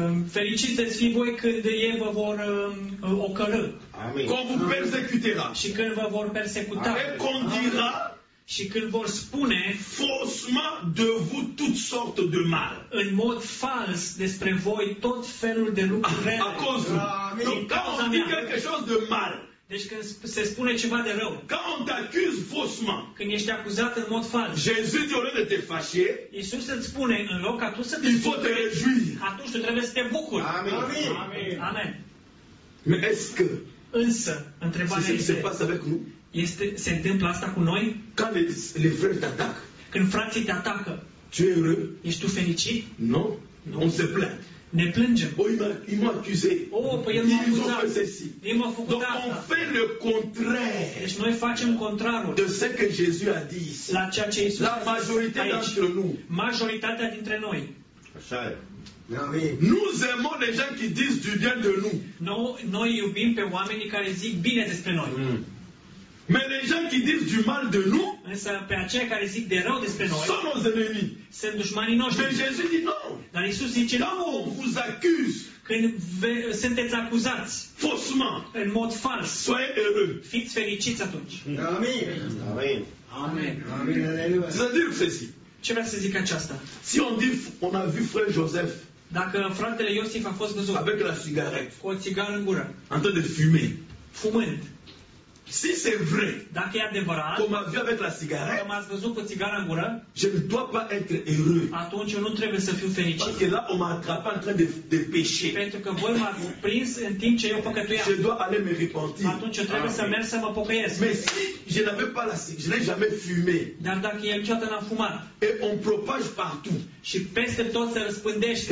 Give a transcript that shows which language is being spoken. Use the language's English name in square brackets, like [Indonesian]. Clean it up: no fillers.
[Romanian] Fericiți veți fi voi când ei vă vor ocărâ. [French] Quand vous persécutera. [Romanian] Și când vă vor persecuta. [French] Et qu'on dira. [Romanian] Și când vor spune [French] falsement de vous toutes sortes de mal, [Romanian] în mod fals despre voi tot felul de lucruri rele. [French] A cause vous. Donc quand on dit quelque chose de mal, [Romanian] deci când se spune ceva de rău, [French] quand on t'accuse faussement, [Romanian] când ești acuzat în mod fals, [French] Jésus dit au lieu de te fâcher, [Romanian] Iisus îți spune în loc ca tu să te [French] il faut te réjouir, [Romanian] atunci tu trebuie să te bucuri. [French] Amen. [Romanian] Amen. Amen. [French] Mais est-ce que, [Romanian] însă, întrebarea este, [French] se passe avec nous? [Romanian] Este, se întâmplă asta cu noi? [French] Quand les frères t'attaquent, [Romanian] când frații te atacă, [French] tu es heureux? [Romanian] Ești tu fericit? [French] Non. Non. On se plaint. [Romanian] Ne plângem. [French] Oh, ils m'ont accusé. [Romanian] Oh, păi el m-a [French] ils [Romanian] acuzat. [French] Ont fait ceci. [Romanian] Ei m-au făcut asta. [French] Donc on fait le contraire. [Romanian] Deci noi facem contrarul. [French] De ce que Jésus a dit ici. [Romanian] La ceea ce Iisus a zis. [French] La majorité d'entre nous. [Romanian] Majoritatea dintre noi. Așa e. [French] Nous aimons les gens qui disent du bien de nous. [Romanian] Noi iubim pe oamenii care zic bine despre noi. Mm. [French] Mais les gens qui disent du mal de nous, [Romanian] însă pe aceia care zic de rău despre noi, [French] sont nos ennemis. [Romanian] Sunt dușmanii noștri. [French] Mais Jésus dit non. [Romanian] Dar Iisus zice, [French] quand on vous accuse, [Romanian] când sunteți acuzați [French] faussement, [Romanian] în mod fals, [French] soyez heureux. [Romanian] Fiți fericiți atunci. Amin. Amin. [French] Amen. Amen. Amen. Ça dit ceci. [Romanian] Ce vrea să zic aceasta? [French] Si on dit, on a vu frère Joseph, [Romanian] dacă fratele Iosif a fost văzut [French] avec la cigarette, [Romanian] cu o țigară în gură, [French] en train de fumer, [Romanian] fumând, [French] si c'est vrai, [Romanian] dacă e adevărat, [French] qu'on m'a vu avec la cigarette, [Romanian] că m-ați văzut cu țigara în gură, [French] je ne dois pas être heureux. [Romanian] Atunci eu nu trebuie să fiu fericit. [French] Parce que là, on m'a attrapé en train de pécher. [Romanian] Pentru că voi m-ați prins în timp ce eu păcătuiam. [French] Je dois aller me repentir. [Romanian] Atunci eu trebuie să merg să mă pocăiesc. [French] Mais si je n'avais pas la cigarette, je n'ai jamais fumé. [Romanian] Dar dacă el niciodată n-a fumat. [French] Et on propage partout. [Romanian] Și peste tot se răspândește.